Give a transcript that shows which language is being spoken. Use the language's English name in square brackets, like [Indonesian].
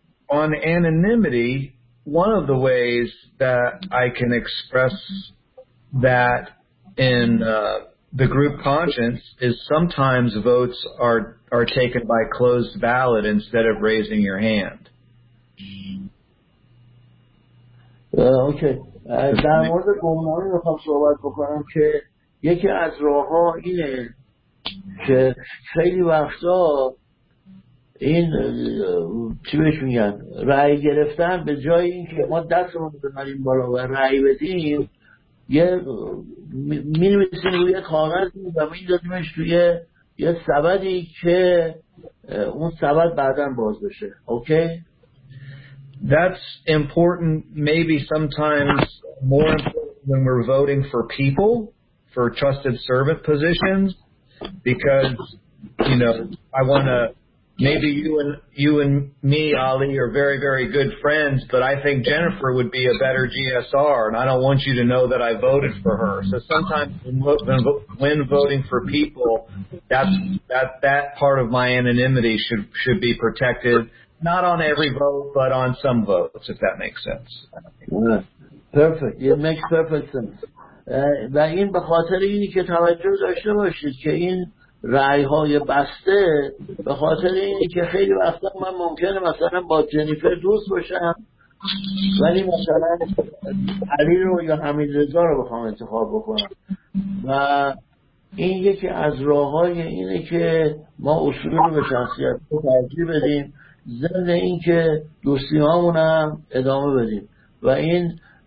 [English] On anonymity, one of the ways that I can express that in the group conscience is sometimes votes are taken by closed ballot instead of raising your hand. Okay. [Persian] در مورد گمانی رو خواهم صحبت بکنم که یکی از راه ها اینه که خیلی وقتا این چی بهش میگن رأی گرفتن به جای این که ما دست رو بزنیم بالا و رأی بدیم، یه می نویسیم روی کاغذ و می دادیمش توی یه سبدی که اون سبد بعدن باز بشه. [English] Okay? That's important, maybe sometimes more important when we're voting for people, for trusted servant positions, because, you know, I want to, maybe you and me, Ali, are very, very good friends, but I think Jennifer would be a better GSR, and I don't want you to know that I voted for her. So sometimes when voting for people, that part of my anonymity should be protected. Not on every vote, but on some votes, if that makes sense. Perfect. It makes perfect sense. [Persian] و این به خاطر اینی که توجه داشته باشید که این رأی های بسته، به خاطر اینی که خیلی وقتا من ممکنه مثلا با جنیفر دوست باشم ولی مثلا علی رو یا حمید رضا رو بخوام انتخاب بکنم، و این یکی از راه های اینه که ما اصول رو به شخصیت رو ترجیح بدیم، ضمن این که دوستی هامون هم ادامه بدیم، و این